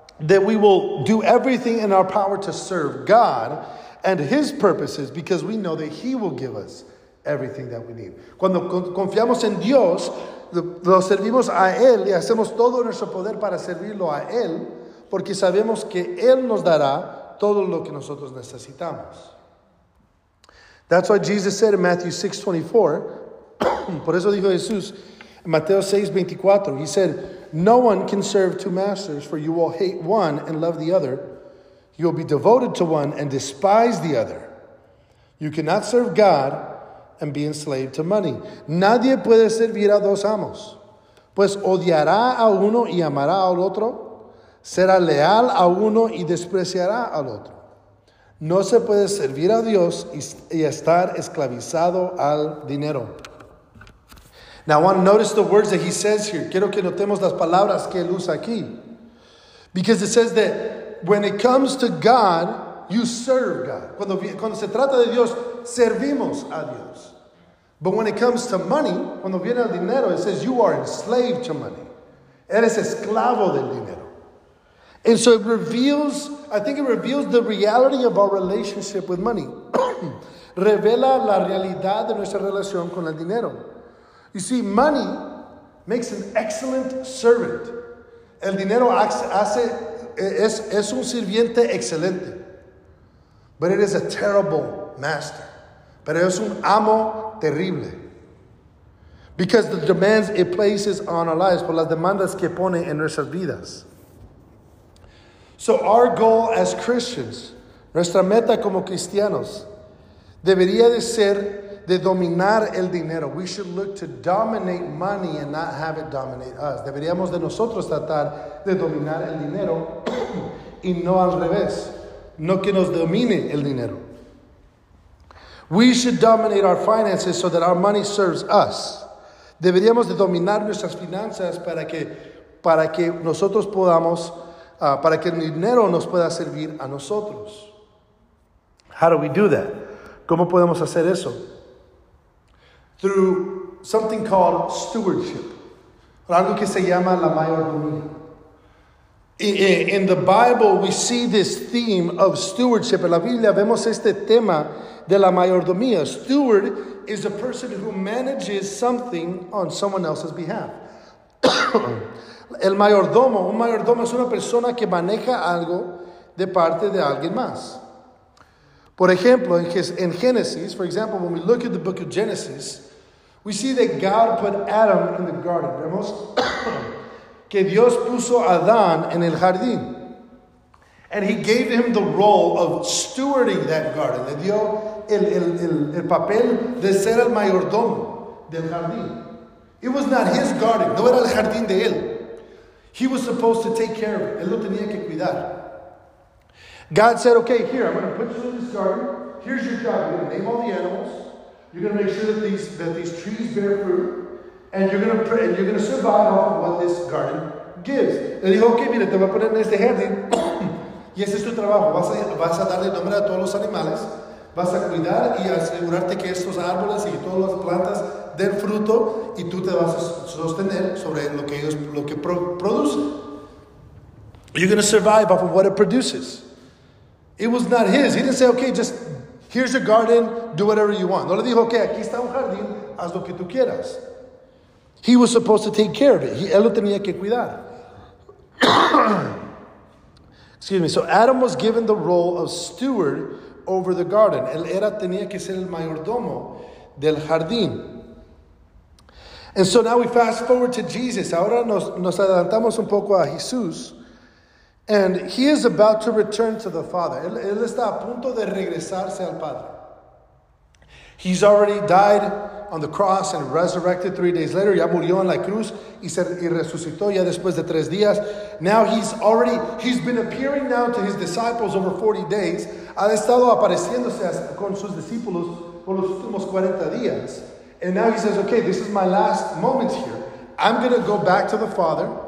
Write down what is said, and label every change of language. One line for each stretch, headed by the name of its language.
English: that we will do everything in our power to serve God and His purposes, because we know that He will give us everything that we need.
Spanish: Cuando confiamos en Dios, lo servimos a Él y hacemos todo nuestro poder para servirlo a Él, porque sabemos que Él nos dará todo lo que nosotros necesitamos.
English: That's what Jesus said in Matthew 6:24.
Spanish: Por eso dijo Jesús en Mateo 6:24.
English: He said, "No one can serve two masters, for you will hate one and love the other. You will be devoted to one and despise the other. You cannot serve God and be enslaved to money."
Spanish: Nadie puede servir a dos amos, pues odiará a uno y amará al otro. Será leal a uno y despreciará al otro. No se puede servir a Dios y estar esclavizado al dinero.
English: Now I want to notice the words that he says here.
Spanish: Quiero que notemos las palabras que él usa aquí.
English: Because it says that when it comes to God, you serve God.
Spanish: Cuando se trata de Dios, servimos a Dios.
English: But when it comes to money,
Spanish: cuando viene el dinero,
English: it says you are enslaved to money.
Spanish: Eres esclavo del dinero.
English: And so it reveals, I think it reveals the reality of our relationship with money.
Spanish: Revela la realidad de nuestra relación con el dinero.
English: You see, money makes an excellent servant.
Spanish: El dinero es un sirviente excelente.
English: But it is a terrible master.
Spanish: Pero es un amo terrible.
English: Because the demands it places on our lives,
Spanish: por las demandas que pone en nuestras vidas.
English: So our goal as Christians,
Spanish: nuestra meta como cristianos, debería de ser de dominar el dinero.
English: We should look to dominate money and not have it dominate us.
Spanish: Deberíamos de nosotros tratar de dominar el dinero y no al revés. No que nos domine el dinero.
English: We should dominate our finances so that our money serves us.
Spanish: Deberíamos de dominar nuestras finanzas para que nosotros podamos, para que el dinero nos pueda servir a nosotros.
English: How do we do that?
Spanish: ¿Cómo podemos hacer eso?
English: Through something called stewardship.
Spanish: Algo que se llama la mayordomía.
English: In the Bible, we see this theme of stewardship.
Spanish: En la Biblia vemos este tema de la mayordomía.
English: Steward is a person who manages something on someone else's behalf.
Spanish: El mayordomo, un mayordomo es una persona que maneja algo de parte de alguien más. Por ejemplo, en Génesis,
English: for example, when we look at the book of Genesis, we see that God put Adam in the garden.
Spanish: Vemos que Dios puso a Adán en el jardín.
English: And he gave him the role of stewarding that garden.
Spanish: Le dio el papel de ser el mayordomo del jardín.
English: It was not his garden.
Spanish: No era el jardín de él.
English: He was supposed to take care of it.
Spanish: Él lo tenía que cuidar.
English: God said, "Okay, here, I'm going to put you in this garden. Here's your job. You're going to name all the animals. You're going to make sure that these trees bear fruit. And you're going to survive off of what this garden gives."
Spanish: Él dijo, "Okay, mira, te voy a poner en este jardín. Y ese es tu trabajo. Vas a darle nombre a todos los animales. Vas a cuidar y asegurarte que estos árboles y todas las plantas den fruto. Y tú te vas a sostener sobre lo que producen.
English: You're going to survive off of what it produces." It was not his. He didn't say, "Okay, just here's your garden. Do whatever you want."
Spanish: No le dijo, "Okay, aquí está un jardín. Haz lo que tú quieras."
English: He was supposed to take care of it.
Spanish: Él lo tenía que cuidar.
English: Excuse me. So Adam was given the role of steward over the garden.
Spanish: Él era tenía que ser el mayordomo del jardín.
English: And so now we fast forward to Jesus.
Spanish: Ahora nos adelantamos un poco a Jesús.
English: And he is about to return to the Father.
Spanish: Él está a punto de regresarse al Padre.
English: He's already died on the cross and resurrected 3 days later.
Spanish: Ya murió en la cruz y resucitó ya después de 3 días.
English: Now he's been appearing now to his disciples over 40 days.
Spanish: Ha estado apareciéndose con sus discípulos por los últimos 40 días.
English: And now he says, "Okay, this is my last moment here. I'm going to go back to the Father."